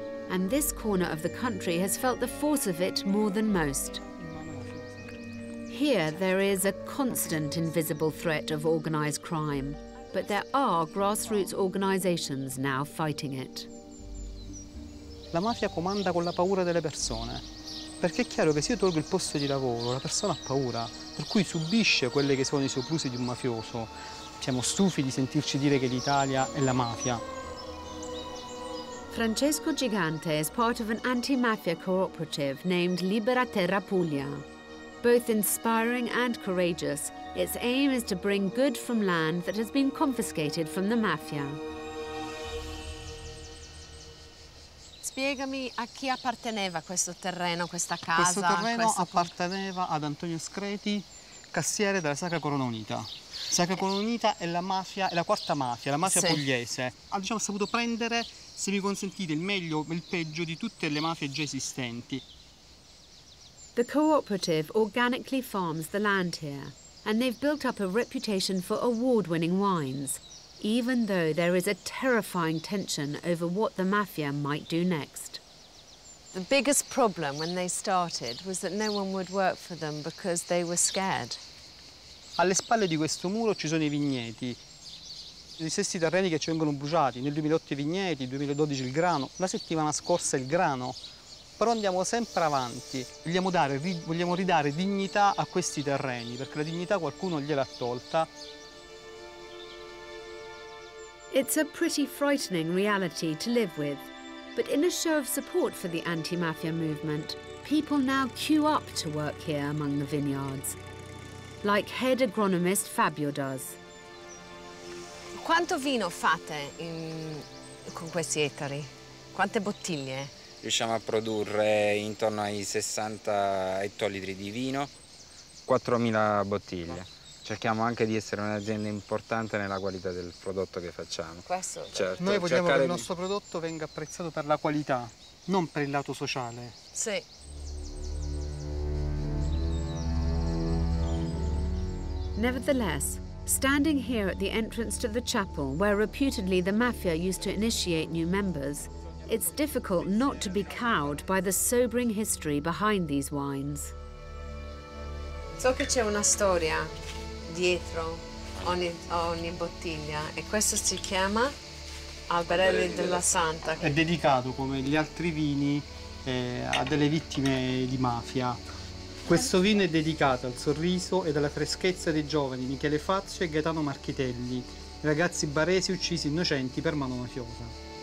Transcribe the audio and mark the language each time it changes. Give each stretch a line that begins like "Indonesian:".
English: And this corner of the country has felt the force of it more than most. Here, there is a constant invisible threat of organized crime, but there are grassroots organizations now fighting it.
Italian: La mafia comanda con la paura delle persone, perché è chiaro che se io tolgo il posto di lavoro, la persona ha paura, per cui subisce quelle che sono i soprusi di un mafioso. Siamo stufi di sentirci dire che l'Italia è la mafia.
English: Francesco Gigante is part of an anti-mafia cooperative named Libera Terra Puglia. Both inspiring and courageous, its aim is to bring good from land that has been confiscated from the mafia.
Italian: Spiegami a chi apparteneva questo terreno, questa casa. Questo terreno apparteneva ad Antonio Screti, cassiere della Sacra Corona Unita. Sacra Corona Unita è la mafia, è la quarta mafia, la mafia pugliese. Ha, diciamo, saputo prendere, se mi consentite, il meglio e il peggio di tutte le mafie già esistenti.
English: The cooperative organically farms the land here, and they've built up a reputation for award-winning wines, even though there is a terrifying tension over what the mafia might do next. The biggest problem when they started was that no one would work for them because they were scared.
Italian: Alle spalle di questo muro ci sono i vigneti. Gli stessi terreni che ci vengono bruciati, nel 2008 i vigneti, nel 2012 il grano, la settimana scorsa il grano. Però andiamo sempre avanti, vogliamo ridare dignità a questi terreni, perché la dignità qualcuno gliel'ha tolta.
English: It's a pretty frightening reality to live with. But in a show of support for the anti-mafia movement, people now queue up to work here among the vineyards, like head agronomist Fabio does.
Italian: Quanto vino fate in, con questi ettari? Quante bottiglie? Riusciamo a produrre intorno ai 60 ettolitri di vino. 4.000 bottiglie. Cerchiamo anche di essere un'azienda importante nella qualità del prodotto che facciamo. Questo? Certo. Noi vogliamo che il nostro prodotto venga apprezzato per la qualità, non per il lato sociale. Sì.
English: Nevertheless, standing here at the entrance to the chapel, where reputedly the mafia used to initiate new members, it's difficult not to be cowed by the sobering history behind these wines.
Italian: So che c'è una storia dietro ogni bottiglia, e questo si chiama Alberelli della Santa. È dedicato, come gli altri vini, a delle vittime di mafia. Questo vino è dedicato al sorriso e alla freschezza dei giovani Michele Fazio e Gaetano Marchitelli, ragazzi baresi uccisi innocenti per mano mafiosa.